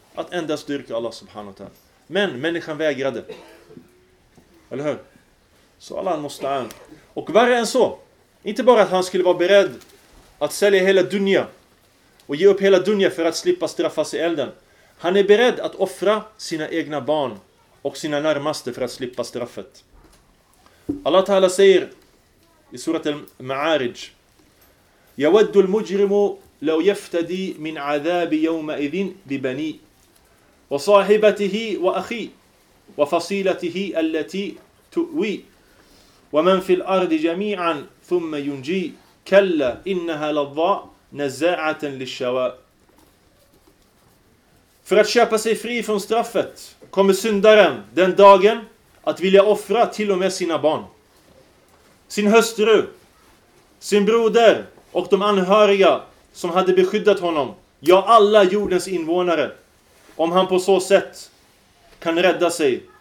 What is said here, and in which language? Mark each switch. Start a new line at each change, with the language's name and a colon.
Swedish: Att endast dyrka Allah subhanahu wa ta'ala. Men människan vägrade. Eller hur? Så Allah måste an. Och värre än så. Inte bara att han skulle vara beredd att sälja hela dunya och ge upp hela dunya för att slippa straffas i elden. Han är beredd att offra sina egna barn och sina närmaste för att slippa straffet. Allah Ta'ala säger i surat al-Ma'arij:
Arabic: يَوَدُّ الْمُجْرِمُ لَوْ يَفْتَدِي مِنْ عَذَابِ يَوْمَ اِذِنْ بِبَنِي وَصَاحِبَتِهِ وَأَخِي وفصيلته التي تؤوي ومن في الأرض جميعا ثم ينجي كلا إنها لظى نزاعة للشواء.
Swedish: För att köpa sig fri från straffet kommer syndaren den dagen att vilja offra till och med sina barn, sin hustru, sin broder och de anhöriga som hade beskyddat honom, ja alla jordens invånare, om han på så sätt kan rädda sig.